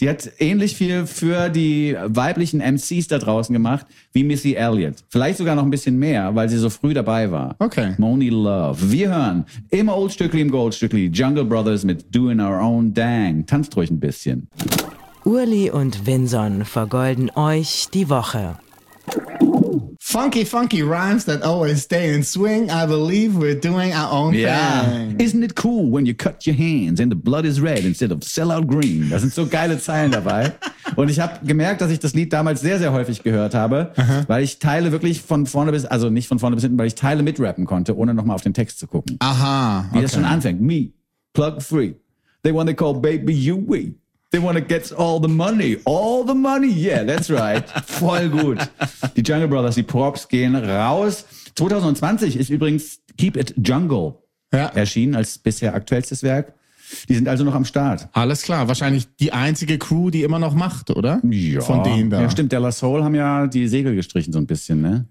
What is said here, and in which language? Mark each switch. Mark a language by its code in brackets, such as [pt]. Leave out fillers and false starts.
[de] Die hat ähnlich viel für die weiblichen MCs da draußen gemacht wie Missy Elliott. Vielleicht sogar noch ein bisschen mehr, weil sie so früh dabei war. Okay. Moni Love. Wir hören im Oldstückli, im Goldstückli, Jungle Brothers mit Doing Our Own Dang. Tanzt ruhig ein bisschen. Urli und Vinson vergolden euch die Woche. [en] Funky, funky rhymes that always stay in swing. I believe we're doing our own thing. Isn't it cool when you cut your hands and the blood is red instead of sellout green? [de] Da sind so geile Zeilen dabei. Und ich habe gemerkt, dass ich das Lied damals sehr, sehr häufig gehört habe, weil ich Teile wirklich von vorne bis, also nicht von vorne bis hinten, weil ich Teile mitrappen konnte, ohne nochmal auf den Text zu gucken. Aha. [en] Okay. [de] Wie das schon anfängt. [en] Me, plug free. They wanna call baby Yui. They wanna get all the money, yeah, that's right, [de] voll gut. Die Jungle Brothers, die Props gehen raus. 2020 ist übrigens Keep It Jungle erschienen als bisher aktuellstes Werk. Die sind also noch am Start. Alles klar, wahrscheinlich die einzige Crew, die immer noch macht, oder? Ja. Von denen da. Ja, stimmt, De La Soul haben ja die Segel gestrichen so ein bisschen, ne?